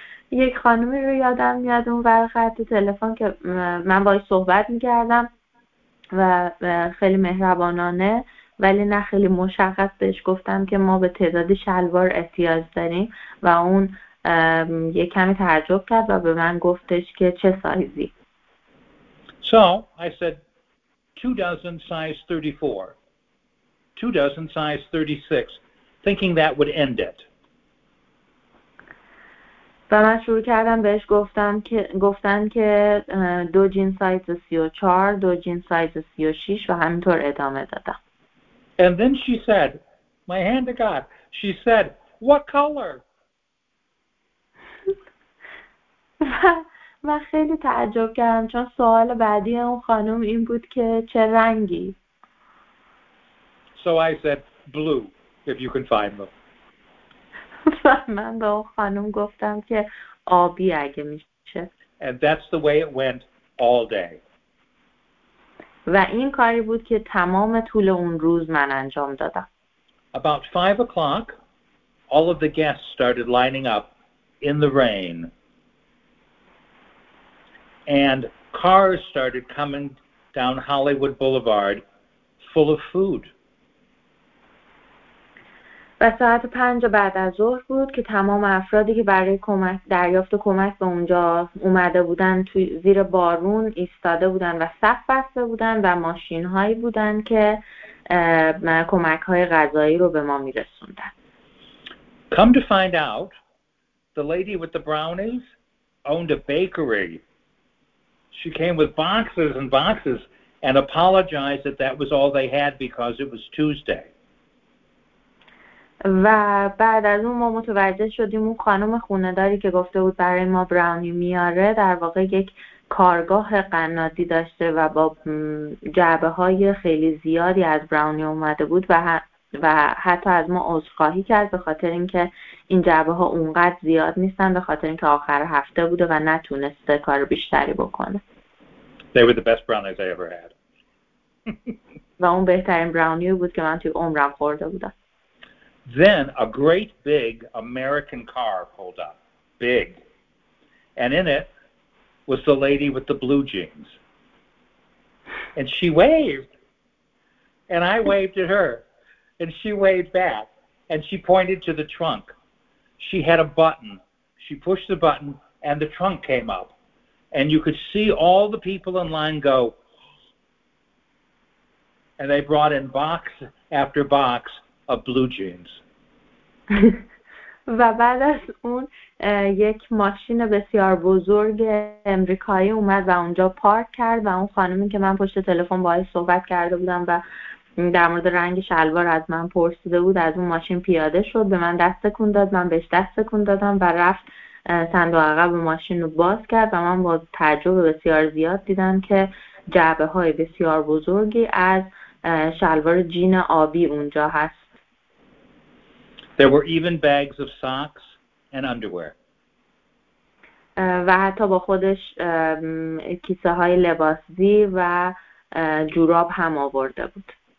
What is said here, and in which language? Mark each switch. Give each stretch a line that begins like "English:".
Persian: یک خانمی رو یادم میاد اون ور خط تلفن که من باهاش صحبت میکردم و خیلی مهربانانه ولی نه خیلی مشخص بهش گفتم که ما به تعداد شلوار احتیاج داریم و اون یک کمی تعجب کرد و به من گفتش که چه سایزی.
English: So I said 2 dozen size 34, 2 dozen size 36, thinking that would end it.
Persian: و من شروع کردم بهش گفتن که دو جین سایز 34، دو جین سایز 36 و همینطور ادامه دادم.
English: And then she said, my hand to God, she said, what color?
Persian: من خیلی تعجب کردم چون سوال بعدی اون خانم این بود که چه رنگی؟
English: So I said, blue, if you can find them.
Persian: من به اون خانم گفتم که آبی اگه میشه.
English: And that's the way it went all day.
Persian: و این کاری بود که تمام طول اون روز من انجام دادم.
English: About 5 o'clock, all of the guests started lining up in the rain. And cars started coming down Hollywood Boulevard full of food.
Persian: و ساعت 5 بعد از ظهر بود که تمام افرادی که برای کمک دریافت کمک به اونجا اومده بودن توی زیر بارون ایستاده بودن و صف بسته بودن و ماشین هایی بودن که کمک های غذایی رو به ما میرسوندن.
English: Come to find out, the lady with the brownies owned a bakery. She came with boxes and boxes and apologized that that was all they had because it was Tuesday.
Persian: و بعد از اون ما متوجه شدیم اون خانم خونه‌داری که گفته بود برای ما براونی میاره در واقع یک کارگاه قنادی داشته و با جعبه های خیلی زیادی از براونی اومده بود و حتی از ما عذرخواهی کرد به خاطر اینکه این جعبه ها اونقدر زیاد نیستن به خاطر اینکه آخر هفته بوده و نتونسته کار بیشتری بکنه.
English: They were the best brownies I ever had.
Persian: و اون بهترین براونی بود که من توی عمرم خورده بودم.
English: Then a great big American car pulled up, big, and in it was the lady with the blue jeans. And she waved, and I waved at her, and she waved back, and she pointed to the trunk. She had a button. She pushed the button, and the trunk came up. And you could see all the people in line go, and they brought in box after box of blue jeans.
Persian: و بعد از اون یک ماشین بسیار بزرگ امریکایی اومد و اونجا پارک کرد و اون خانمی که من پشت تلفن باهاش صحبت کرده بودم و در مورد رنگ شلوار از من پرسیده بود از اون ماشین پیاده شد به من دست تکون داد من بهش دست تکون دادم و رفت صندوق عقب ماشین رو باز کرد و من با تعجب بسیار زیاد دیدم که جعبه های بسیار بزرگی از شلوار جین آبی اونجا هست.
English: There were even bags of socks and underwear.
Persian: و حتی با خودش کیسه های لباس زی و جوراب هم آورده بود.